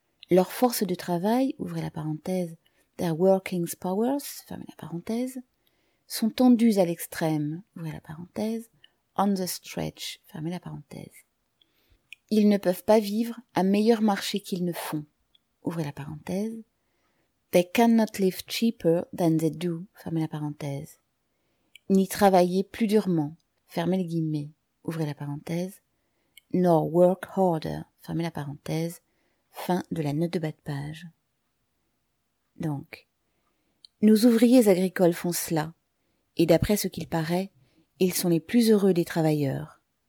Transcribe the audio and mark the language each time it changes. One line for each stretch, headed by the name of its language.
French: Leur force de travail, ouvrez la parenthèse,
English: their working's powers,
French: fermez la parenthèse, sont tendues à l'extrême, ouvrez la parenthèse,
English: on the stretch,
French: fermez la parenthèse. Ils ne peuvent pas vivre à meilleur marché qu'ils ne font. Ouvrez la parenthèse.
English: They cannot live cheaper than they do.
French: Fermez la parenthèse. Ni travailler plus durement. Fermez les guillemets. Ouvrez la parenthèse.
English: nor work harder.
French: Fermez la parenthèse. Fin de la note de bas de page. Donc, nos ouvriers agricoles font cela, et d'après ce qu'il paraît, ils sont les plus heureux des travailleurs.